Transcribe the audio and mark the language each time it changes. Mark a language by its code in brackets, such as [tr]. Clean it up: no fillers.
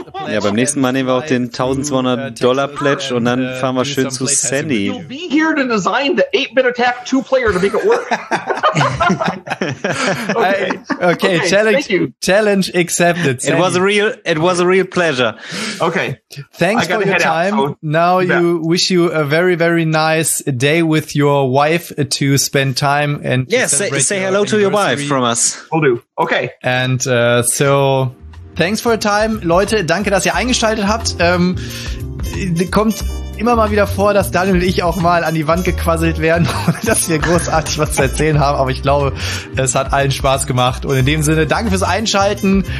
[de] Ja, beim nächsten Mal nehmen wir auch den 1200-Dollar-Pledge und dann fahren wir schön zu Sandy. [en] You'll be here to design the 8-bit attack 2-player to make it work. Okay. Challenge accepted. Sandy. It was a real pleasure. Okay. Thanks for your time. Wish you a very, very nice day with your wife to spend time and say hello to your wife from us. Will do. Okay. And so thanks for your time. [de] Leute, danke, dass ihr eingeschaltet habt. Kommt immer mal wieder vor, dass Daniel und ich auch mal an die Wand gequasselt werden, dass wir großartig was zu erzählen haben, aber ich glaube, es hat allen Spaß gemacht. Und in dem Sinne, danke fürs Einschalten.